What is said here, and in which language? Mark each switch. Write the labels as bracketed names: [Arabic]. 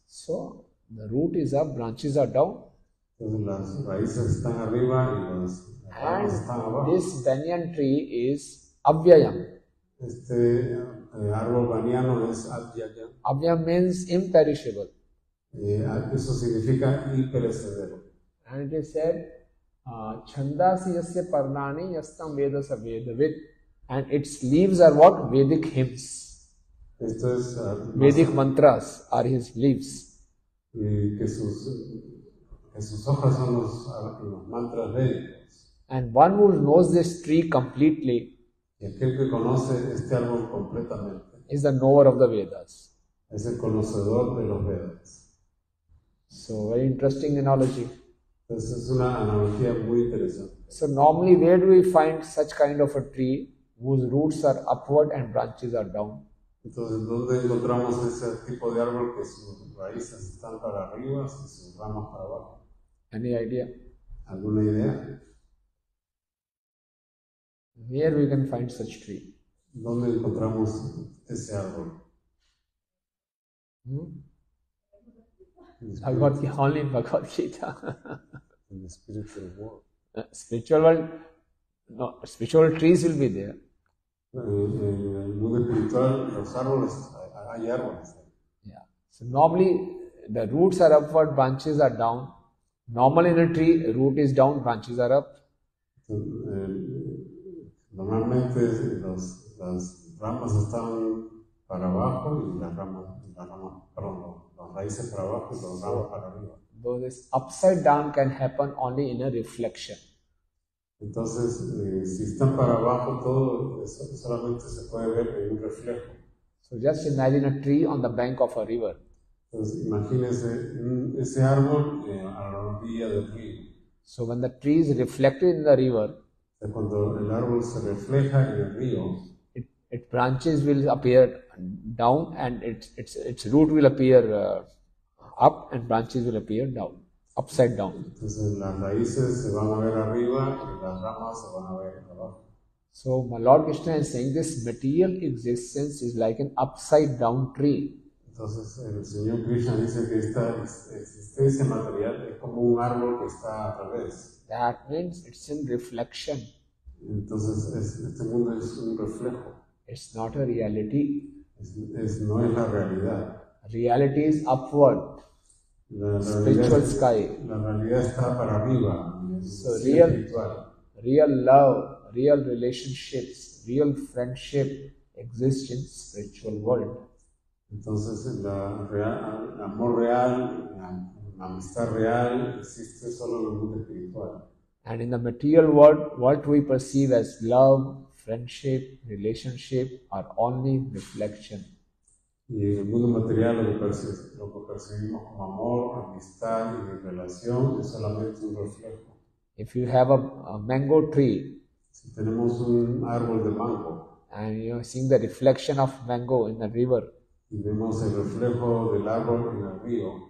[English] So, the root is up, branches are down. [Spanish] Las raíces están arriba y las ramas están abajo. [English] This banyan tree is avyayam. [Spanish] Este árbol baniano es avyayam. [English] Avyayam means imperishable. [Spanish] Eso significa imperecedero. [English] And it is said, [Sanskrit] chandasi yasya parnani yastam vedasa vedavit. [English] And its leaves are what? Vedic hymns. [Spanish] Esto es, [English] Vedic mantras are his leaves. [Spanish] Que sus hojas son los mantras védicos. [English] And one who knows this tree completely, [Spanish] y aquel que conoce este árbol completamente, [English] is the knower of the Vedas. [Spanish] Es el conocedor de los Vedas. [English] So, very interesting analogy. [Spanish] Entonces, es una analogía muy interesante. [English] So, normally, where do we find such kind of a tree whose roots are upward and branches are down? [Spanish] Entonces, ¿dónde encontramos ese tipo de árbol que sus raíces están para arriba y sus ramas para abajo? [English] Any idea? [Spanish] ¿Alguna idea? [English] Where we can find such tree? [Spanish] ¿Dónde encontramos ese árbol? [English] Only Bhagavad Gita. In the spiritual world. Spiritual world? No, spiritual trees will be there. [Spanish] En el mundo espiritual, los árboles, hay árboles. [English] Yeah. So normally, the roots are upward, branches are down. Normally in a tree, root is down, branches are up. [Spanish] Normalmente, las ramas están para abajo y las raíces para abajo y las ramas para arriba. [English] Though this upside down can happen only in a reflection. [Spanish] Entonces, si están para abajo, todo eso solamente se puede ver en un reflejo. [English] So just imagine a tree on the bank of a river. [Spanish] Entonces, imagínese ese árbol a la orilla del río. [English] So when the tree is reflected in the river, [Spanish] cuando el árbol se refleja en el río, [English] its branches will appear down and its root will appear up and branches will appear down. Upside down. [Spanish] Entonces las raíces se van a ver arriba y las ramas se van a ver abajo. [English] So my Lord Krishna is saying this material existence is like an upside down tree. [Spanish] Entonces el Señor Krishna dice que esta existencia material es como un árbol que está al revés. [English] That means it's in reflection. [Spanish] Entonces este mundo es un reflejo. [English] It's not a reality. [Spanish] No es la realidad. [English] Reality is upward. Spiritual sky. [Spanish] La realidad está para arriba. [English] So real love, real relationships, real friendship exists in spiritual world. [Spanish] Entonces, la real, el amor real, la amistad real, existe solo en el mundo espiritual. [English] And in the material world, what we perceive as love, friendship, relationship are only reflection. [Spanish] Y en el mundo material lo que percibimos como amor, amistad y relación es solamente un reflejo. [English] If you have a mango tree, [Spanish] si tenemos un árbol de mango, [English] and you are seeing the reflection of mango in the river, [Spanish] y vemos el reflejo del árbol en el río,